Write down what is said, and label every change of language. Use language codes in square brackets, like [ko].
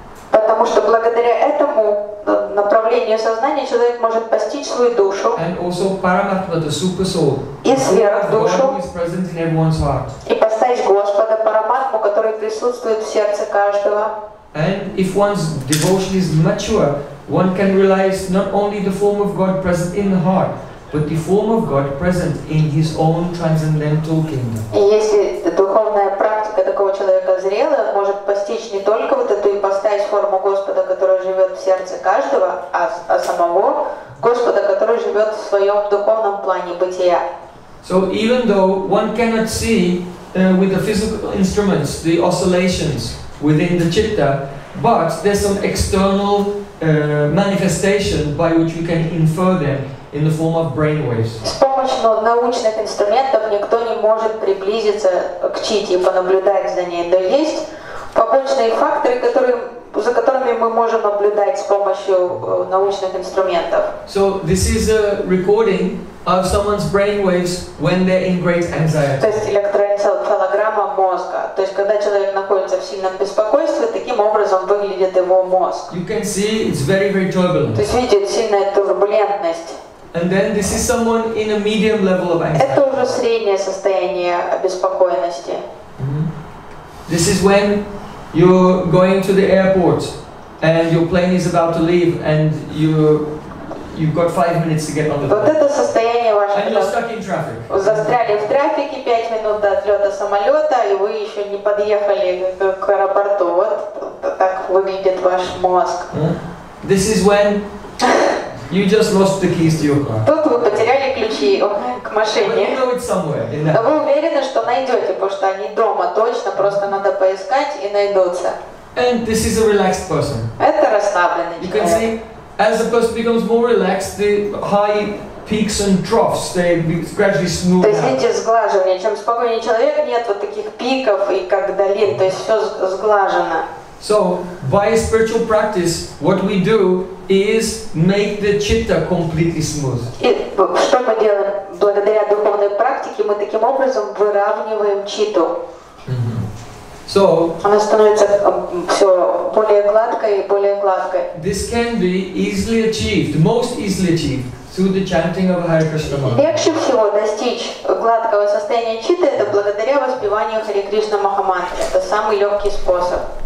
[ru] Потому что благодаря этому направлению сознания человек может постичь свою душу. [en] And also Paramatma, the super soul. [ru] И сверхдушу. [en] Who is present in everyone's heart. [ru] И постичь Господа Параматму, который присутствует в сердце каждого. [en] And if one's devotion is mature, one can realize not only the form of God present in the heart, but the form of God present in his own transcendental kingdom. [ru] Такого человека зрелый, он может постичь не только вот эту ипостась форму Господа, которая живет в сердце каждого, а самого Господа, который живет в своем духовном плане бытия. [en] So even though one cannot see with the physical instruments the oscillations within the citta, but there's some external manifestation by which you can infer them in the form of brainwaves. [ru] С помощью научных инструментов никто не может приблизиться к чите и понаблюдать за ней. Но есть побочные факторы, за которыми мы можем наблюдать с помощью научных инструментов. [en] So this is a recording of someone's brainwaves when they're in great anxiety. [ru] То есть электроэнцефалограмма мозга. То есть когда человек находится в сильном беспокойстве, таким образом выглядит его мозг. [en] You can see it's very, very turbulent. [ru] То есть видит сильная турбулентность. [en] And then this is someone in a medium level of anxiety. [ru] Это уже среднее состояние обеспокоенности. [en] This is when you're going to the airport and your plane is about to leave and you've got 5 minutes to get on the plane. [ru] Вот это состояние ваше. [en] And you're stuck in traffic. [ru] Застряли в трафике 5 минут до отлета самолета и вы еще не подъехали к аэропорту. Вот так выглядит ваш мозг. [en] This is when you just lost the keys to your car. [ru] Тут вы потеряли ключи к машине. [en] But you know it somewhere. [ru] Но вы уверены, что найдете, потому что они дома точно, просто надо поискать и найдутся. [en] And this is a relaxed person. [ru] Это расслабленный человек. [en] You can see, as the person becomes more relaxed, the high peaks and troughs, they gradually smooth out. [ru] То есть видите, сглаживание. Чем спокойнее человек, нет вот таких пиков и как долин, то есть все сглажено. [en] So, by spiritual practice, what we do is make the citta completely smooth. [ru] Что мы делаем? Благодаря духовной практике мы таким образом выравниваем читу. [en] So, [ru] она становится все более гладкой и более гладкой. [en] This can be easily achieved, most easily achieved, through the chanting of Hare Krishna Mantra. [ru] Легче всего достичь гладкого состояния читы это благодаря воспеванию Хари Кришна Махамантры. Это самый легкий способ.